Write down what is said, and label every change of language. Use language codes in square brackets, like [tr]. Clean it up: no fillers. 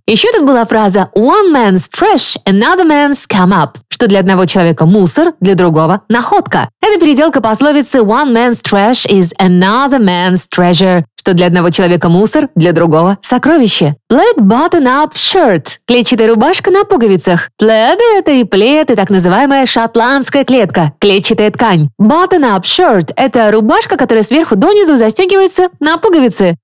[ru] Еще тут была фраза [en] one man's trash, another man's come up. [ru] Что для одного человека мусор, для другого – находка. Это переделка пословицы [en] one man's trash is another man's treasure. [ru] Что для одного человека мусор, для другого – сокровище. Plaid button-up shirt – клетчатая рубашка на пуговицах. Plaid – это и плед, и так называемая шотландская клетка – клетчатая ткань. Button-up shirt – это рубашка, которая сверху донизу застегивается на пуговицы.